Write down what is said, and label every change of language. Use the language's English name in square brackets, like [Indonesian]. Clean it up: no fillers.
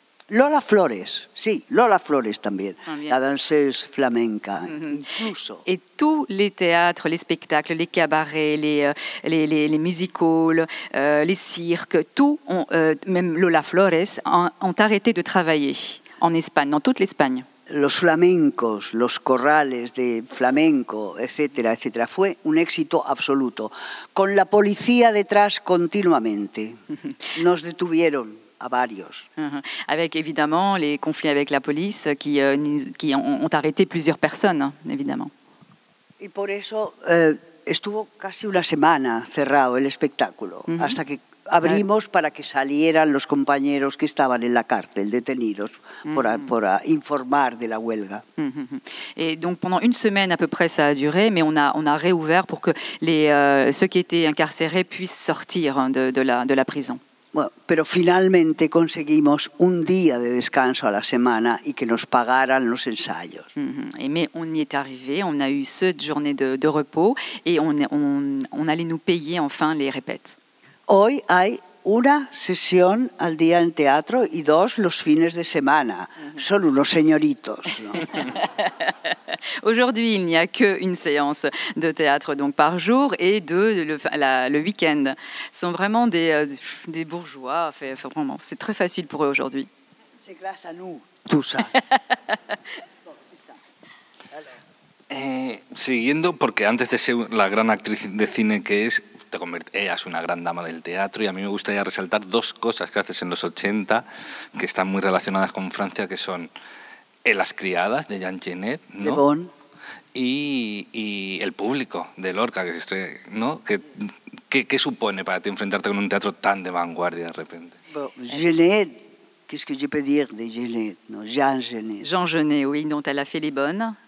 [Spanish] Lola Flores, sí, Lola Flores también, [French] la danseuse flamenca, [Spanish] incluso. [French] Et tous les théâtres, les spectacles, les cabarets, les musicals, les cirques, tout, même Lola Flores, ont arrêté de travailler en Espagne, dans toute l'Espagne. [Spanish] Los flamencos, los corrales de flamenco, etcétera, etcétera. Fue un éxito absoluto. Con la policía detrás continuamente. Nos detuvieron a varios. [French] Avec évidemment les conflits avec la police qui ont arrêté plusieurs personnes, évidemment. [Spanish] Y por eso estuvo casi una semana cerrado el espectáculo, hasta que abrimos para que salieran los compañeros que estaban en la cárcel detenidos por informar de la huelga. [French] Et donc pendant une semaine à peu près ça a duré, mais on a réouvert pour que ceux qui étaient incarcérés puissent sortir de la prison. [Spanish] Bueno, pero finalmente conseguimos un día de descanso a la semana y que nos pagaran los ensayos. [French] Et mais on y est arrivé, on a eu cette journée de repos et on allait nous payer enfin les répètes. [Spanish] Hoy hay una sesión al día en teatro y dos los fines de semana. Son unos señoritos, ¿no? [French] Aujourd'hui, il n'y a que une séance de théâtre donc par jour et deux le week-end. Sont vraiment des bourgeois. Enfin, vraiment, c'est très facile pour eux aujourd'hui. C'est grâce à nous, tout ça. [Spanish] siguiendo, porque antes de ser la gran actriz de cine que es, te eras una gran dama del teatro y a mí me gustaría resaltar dos cosas que haces en los 80 que están muy relacionadas con Francia, que son Las criadas, de Jean Genet, ¿no? De Bon. Y El público, de Lorca, que se estrella, ¿no? ¿Qué supone para ti enfrentarte con un teatro tan de vanguardia de repente? Genet. [French] Qu'est-ce que je peux dire de Genet? [Spanish] No, Jean Genet. [French] Jean Genet, oui, dont elle a fait Les Bonnes.